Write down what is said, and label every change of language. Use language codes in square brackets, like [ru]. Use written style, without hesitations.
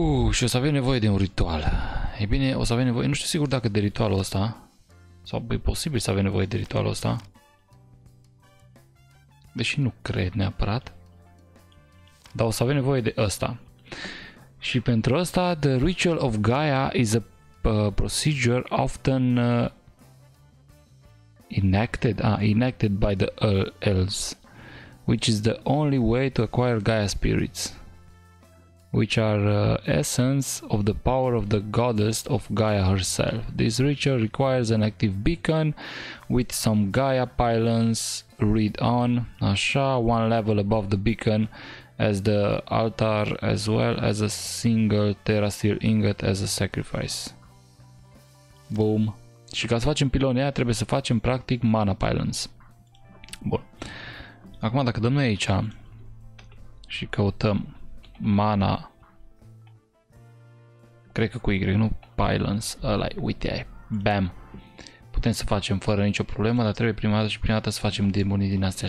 [ro] Și o să avem nevoie de un ritual. E bine, o să avem nevoie, nu știu sigur dacă de ritualul ăsta, sau e posibil să avem nevoie de ritualul ăsta. Deși nu cred neapărat. Dar o să avem nevoie de ăsta. Și pentru ăsta, [en] the ritual of Gaia is a procedure often enacted by the elves, which is the only way to acquire Gaia spirits, which are essence of the power of the goddess of Gaia herself. This ritual requires an active beacon with some Gaia pylons read on, așa, one level above the beacon as the altar, as well as a single terastil ingot as a sacrifice. Boom. [ro] Și ca să facem pilonii aia, trebuie să facem practic mana pylons. Bun. Acum dacă dăm noi aici și căutăm mana, cred că cu Y, nu? Pylons, ăla, uite, bam. Putem să facem fără nicio problemă, dar trebuie prima dată și prima dată să facem nebunii din astea.